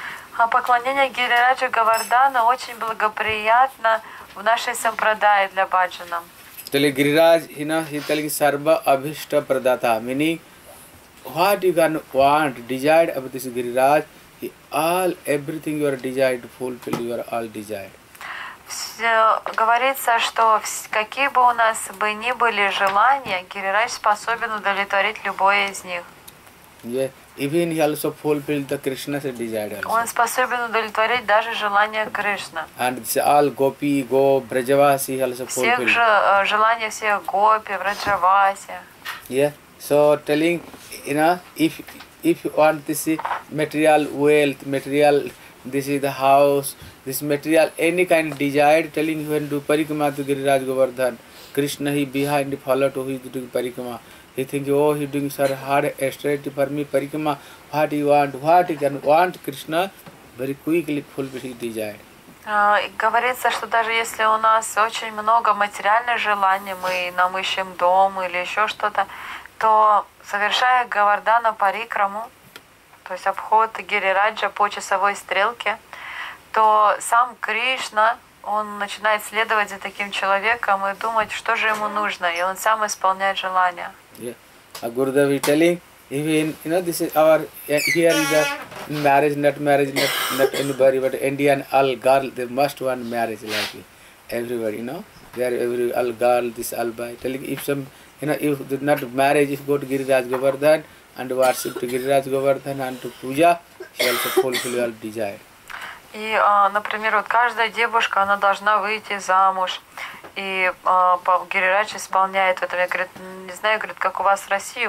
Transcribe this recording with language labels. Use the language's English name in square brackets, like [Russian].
[Russian] Radhe Radhe Радхе Поклонение Гирираджу Говардхану очень благоприятно в нашей сампрадае для баджана. [Sanskrit] Тали Гирирадж хина хитали сарба абхишта прадата. [English] Meaning, what you can want, desired of this Гирирадж, all everything you are desired, fulfill you are all desired. [Russian] Говорится, что какие бы у нас бы ни были желания, Гирирадж способен удовлетворить любое из них. [English] Even he also fulfilled the Krishna's desire. [Russian] Он способен удовлетворить даже желание Кришна. [English] And all gopi, go, brajavasi, he also fulfilled. [Russian] Всех же желания всех гопи, брачаваси. [English] Yeah. So telling, you know, if you want this material wealth, material, this is the house, this material, any kind of desire, telling you can do parikrama to Giriraj Govardhan. Krishna he behind followed to his doing parikrama. He think, oh, he doing sir hard straight for me parikrama. What he want? What he can want? Krishna very quickly fulfill his desire. [Russian] Говорится, что даже если у нас очень много материальных желаний, мы нам ищем дом или еще что-то, то совершая Говардхана парикраму, то есть обход Гирираджа по часовой стрелке, то сам Кришна он начинает следовать за таким человеком и думать, что же ему нужно, и он сам исполняет желания. [English] Yeah. A Gurudev is telling, even, you know, this is our, here is a marriage, not anybody, but Indian, all girls, they must want marriage, like everybody, you know, they are every, all girls, this all by, telling, if some, you know, if they're not marriage, if go to Giriraj Govardhan, and worship to Giriraj Govardhan, and to puja, she also fulfill your desire. [Russian] И, например, вот каждая девушка, она должна выйти замуж. И Гирирадж исполняет это. Я говорит, не знаю, говорит, как у вас в России.